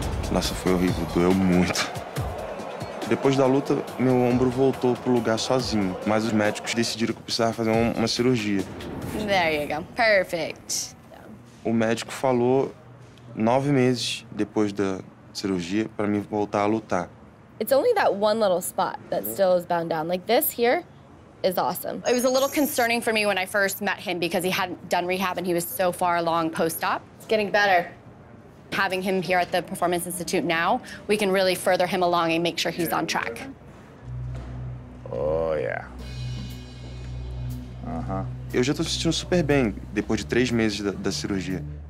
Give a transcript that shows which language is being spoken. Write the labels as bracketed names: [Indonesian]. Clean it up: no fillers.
[Portuguese] Nossa, foi horrível, doeu muito. Depois da luta, meu ombro voltou pro lugar sozinho, mas os médicos decidiram que eu precisava fazer uma cirurgia. [English] There you go. Perfect. [Portuguese] O médico falou 9 meses depois da cirurgia para mim voltar a lutar. [English] It's only that one little spot that still is bound down. Like this here is awesome. It was a little concerning for me when I first met him because he hadn't done rehab and he was so far along post-op. It's getting better. Having him here at the Performance Institute now, we can really further him along and make sure he's on track. Oh, yeah. [Portuguese] Eu já tô me sentindo super bem depois de 3 meses da cirurgia.